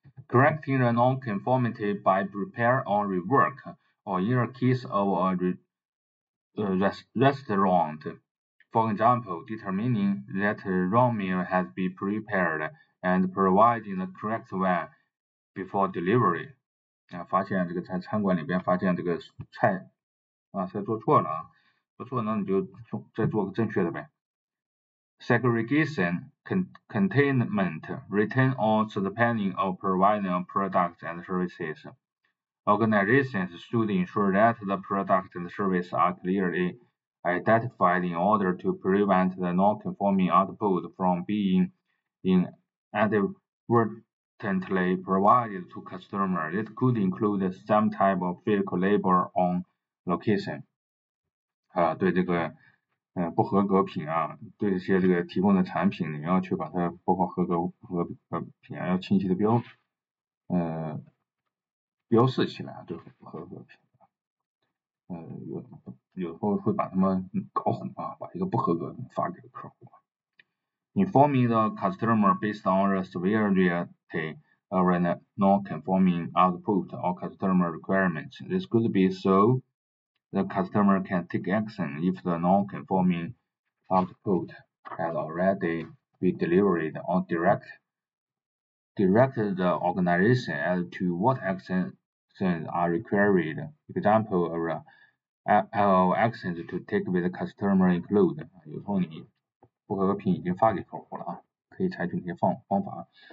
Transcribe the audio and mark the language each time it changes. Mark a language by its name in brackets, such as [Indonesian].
[English] Correcting the non-conformity by repair or rework, or in the case of restaurant, for example, determining that the wrong meal has been prepared and providing the correct one before delivery. [Chinese] 发现这个在餐馆里边发现这个菜啊，菜做错了啊，做错了那你就再做个正确的呗。 [English] Segregation, containment, retain or suspending of providing products and services. Organizations should ensure that the products and services are clearly identified in order to prevent the non-conforming output from being inadvertently provided to customers. It could include some type of physical labor on location. [Chinese] 对这个。不合格品啊，对一些这个提供的产品，你要去把它包括合格不合格品啊，要清晰的标示起来，对不合格品，有时候会把他们搞混啊，把一个不合格发给客户。 [English] Informing the customer based on the severity of a non-conforming output or customer requirements, this could be so. The customer can take action if the non-conforming output has already been delivered or directed the organization as to what actions are required. Example of actions to take with the customer include. [Chinese] 有时候你不合格品已经发给客户了啊，可以采取一些方法。